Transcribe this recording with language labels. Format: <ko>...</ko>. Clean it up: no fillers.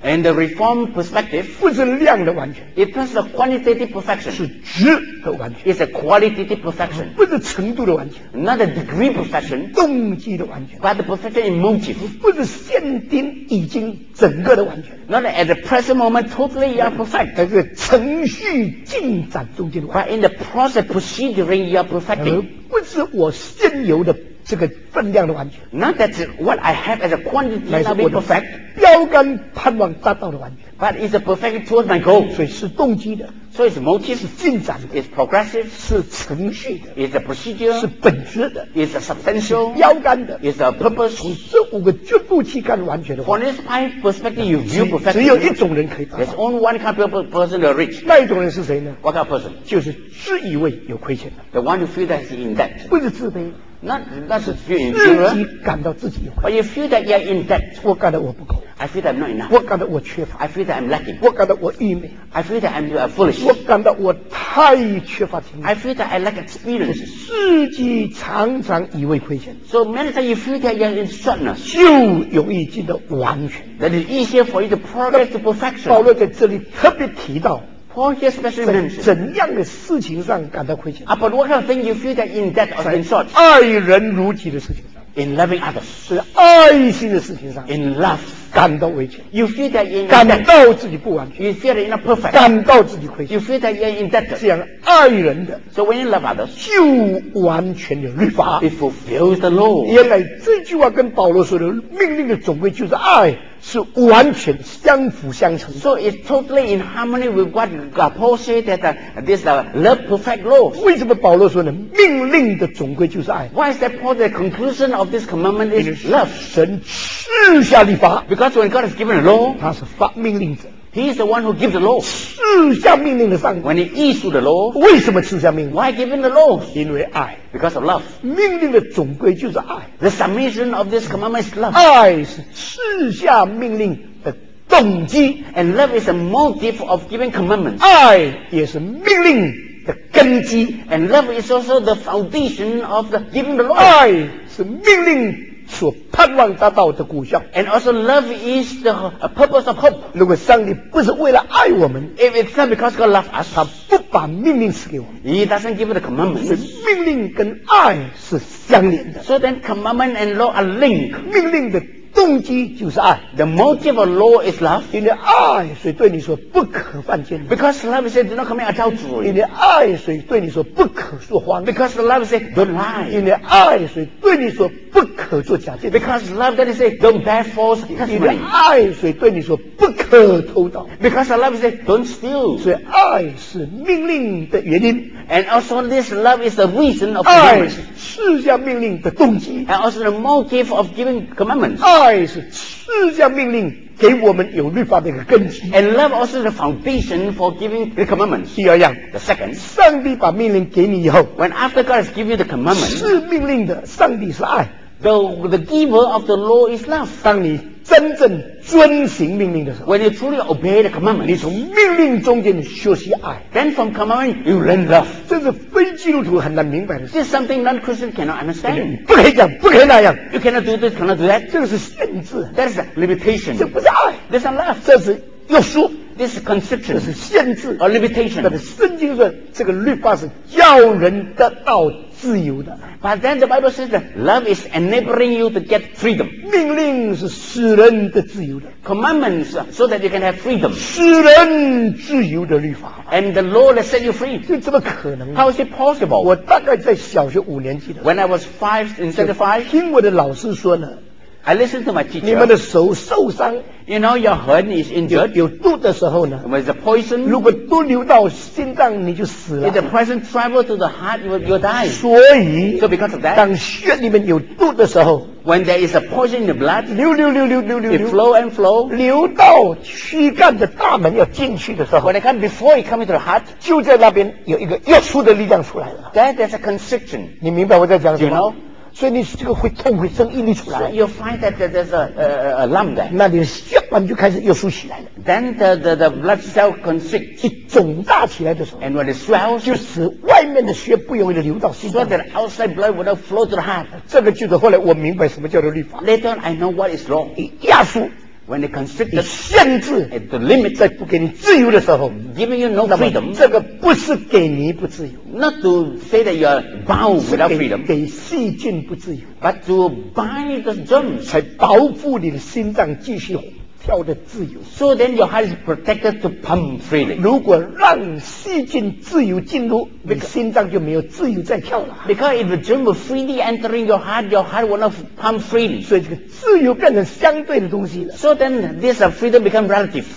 <en>，and the reform perspective，</en> <zh>不是量的完全</zh> <en>，it is a quantitative perfection，</en> <zh>是质的完全</zh> <en>，it's a qualitative perfection，</en> <zh>不是程度的完全</zh> <en>，not a degree perfection，</en> <zh>动机的完全</zh> <en>，but the perfection in motive，</en> <zh>不是现今已经整个的完全</zh> <en>，not at the present moment totally you are perfect。</en> <zh>在这个程序进展中间的话</zh> <en>in the process proceeding you are perfecting</en> <zh>不是我现有的这个分量的完全</zh> <en>not that what I have as a quantity now be perfect</en> <zh>标杆盼望达到的完全</zh> <en>but it's a perfection towards my goal</en> <zh>所以是动机的</zh> <en>so it's motive</en> <zh>是进展的</zh> <en>it's progressive</en> <zh>是程序的</zh> <en>it's a procedure</en> <zh>是本质的</zh> <en>it's a substantial</en> <zh>标杆的</zh> <en>it's a purpose</en> <zh>从这五个局部去看完全的话</zh> <en>from this five perspective you view perfection</en> <zh>只有一种人可以达到</zh> <en>there's only one kind of person to reach</en> <zh>那一种人是谁呢</zh> <en>what kind of person</en> <zh>就是自以为有亏欠的</zh> <en>the one who feels that he's in debt</en> <zh>不是自卑那是自己感到自己有亏欠</zh> <en>But you feel that you are in debt</en> <zh>我感到我不够</zh> <en>I feel that I'm not enough</en> <zh>我感到我缺乏</zh> <en>I feel that I'm lacking</en> <zh>我感到我愚昧</zh> <en>I feel that I'm foolish</en> <zh>我感到我太缺乏经验</zh> <en>I feel that I lack experience</en> <zh>自己常常以为亏欠</zh> <en>So many times you feel that you are in shortness</en> <zh>就容易进到完全</zh> <en>That is easier for you to progress to perfection</en> <zh>保罗在这里特别提到</zh> <en>Paul here specially mentioned,</en> <zh>在怎样的事情上感到亏欠</zh> <en>？About what kind of thing you feel that in debt or in short?</en> <zh>爱人如己的事情上</zh> <en>，in loving others，</en> <zh>是爱心的事情上</zh> <en>，in love，</en> <zh>感到亏欠。</zh> <en>You feel that in</en> <zh>感到自己不完全</zh> <en>，you feel that you're not perfect，</en> <zh>感到自己亏欠。</zh> <en>You feel that you're in debt，</en> <zh>这样爱人的</zh> <en>，so when you love others，</en> <zh>就完全的律法</zh> <en>，it fulfills the law。</en> <zh>原来这句话跟保罗说的命令的总归就是爱。是完全相辅相成</zh> <en>So it's totally in harmony with what Paul said that this love perfect law</en> <zh>为什么保罗说呢命令的总归就是爱</zh> <en>Why is that Paul the conclusion of this commandment is love</en> <zh>神赐下律法</zh> <en>Because when God has given a law</en> <zh>他是发命令者</zh> <en>He is the one who gives the law</en> <zh>赐下命令的上帝</zh> <en>When he issued the law</en> <zh>为什么赐下命令</zh> <en>Why given the law</en> <zh>因为爱</zh> <en>Because of love</en> <zh>命令的总归就是爱</zh> <en>The summation of this commandment is love</en> <zh>爱是赐下命令的动机</zh> <en>and love is a motive of giving commandments</en> <zh>爱也是命令的根基</zh> <en>and love is also the foundation of the giving the law</en> <zh>爱是命令所盼望达到的果效</zh> <en>and also love is the purpose of hope</en> <zh>如果上帝不是为了爱我们</zh> <en>if it's not because God loves us</en> <zh>他不把命令赐给我们</zh> <en>he doesn't give the commandments</en> <zh>是命令跟爱是相连的</zh> <en>so then commandment and law are linked</en> <zh>命令的动机就是爱</zh> <en>The motive of law is love</en> <zh>因为爱所以对你说不可犯奸淫</zh> <en>Because love said do not commit adultery</en> <zh>因为爱所以对你说不可说谎</zh> <en>Because love said don't lie</en> <zh>因为爱所以对你说不可做假见证</zh> <en>Because love that is say don't bear false testimony</en> <zh>因为爱所以对你说不可偷盗</zh> <en>Because love said don't steal</en> <zh>所以爱是命令的原因</zh> <en>And also this love is the reason of</en> <zh>commandments 爱是赐下命令的动机</zh> <en>And also the motive of giving commandments</en> <zh>爱是赐下命令给我们有律法的一个根基</zh> <en>and love also the foundation for giving the commandments</en> <zh>第二样</zh> <en>the second</en> <zh>上帝把命令给你以后</zh> <en>when after God has given you the commandments</en> <zh>赐命令的上帝是爱</zh> <en>the giver of the law is love</en> <zh>当你真正遵行命令的时候</zh> <en>when you truly obey the commandments</en> <zh>你从命令中间学习爱</zh> <en>then from commandment you learn love</en> <zh>这是非基督徒很难明白的事</zh> <en>this is something non-Christian cannot understand</en> <zh>不可以这样不可以那样</zh> <en>you cannot do this cannot do that</en> <zh>这个是限制</zh> <en>that is a limitation</en> <zh>这不是爱</zh> <en>this is love</en> <zh>这是约束</zh> <en>This conception</en> <zh>这是限制</zh> <en>a limitation.</en> <zh>但是圣经说这个律法是叫人得到自由的。</zh> <en>But then the Bible says that love is enabling you to get freedom.</en> <zh>命令是使人得自由的。</zh> <en>Commandments so that you can have freedom.</en> <zh>使人自由的律法。</zh> <en>And the law that set you free.</en> <zh>这怎么可能？</zh> <en>How is it possible?</en> <zh>我大概在小学五年级的。</zh> <en>When I was five instead of five.</en> <zh>听我的老师说呢。</zh> <en>I listened to my teacher.</en> <zh>你们的手受伤。</zh> <en>You know, your hand is injured.</en> <zh>有毒的时候呢。</zh> <en>When it's a poison.</en> <zh>如果毒流到心脏，你就死了。</zh> <en>If the poison travels to the heart, you'll die.</en> <zh>所以。</zh> <en>So because of that.</en> <zh>当血里面有毒的时候。</zh> <en>When there is a poison in the blood.</en> <zh>流。</zh> <en>It flow and flow.</en> <zh>流到躯干的大门要进去的时候。</zh> <en>When it comes before it comes to the heart.</en> <zh>就在那边有一个约束的力量出来了。</zh> <en>That is a constriction.</en> <zh>你明白我在讲什么？</zh> <en>You know?</en> <zh>所以你这个会痛会生毅力出来。</zh> <en>So you find that there's a lump there.</en> <zh>那你的血管就开始又竖起来了。</zh> <en>Then the blood cell constricts.</en> <zh>一肿大起来的时候。</zh> <en>And when it swells,</en> <zh>就使外面的血不容易流到心脏。</zh> <en>So that outside blood will not flow to the heart.</en> <zh>这个就是后来我明白什么叫做律法。</zh> <en>Later I know what is law.</en> <zh>压缩。</zh> <en>When it constricts,</en> <zh>你限制。</zh> <en>At the limit,</en> <zh>在不给你自由的时候。</zh> <en>Giving you no freedom.</en> <zh>这个不是给你不自由。</zh> <en>Not to say that you are bound without freedom.</en> <zh>给细菌不自由。</zh> <en>But to bind the germs.</en> <zh>才保护你的心脏继续跳的自由。</zh> <en>So then your heart is protected to pump freely.</en> <zh>如果让细菌自由进入，你心脏就没有自由再跳了。</zh> <en>Because if the germ is freely entering your heart will not pump freely.</en> <zh>所以这个自由变成相对的东西了。</zh> <en>So then this freedom becomes relative.</en>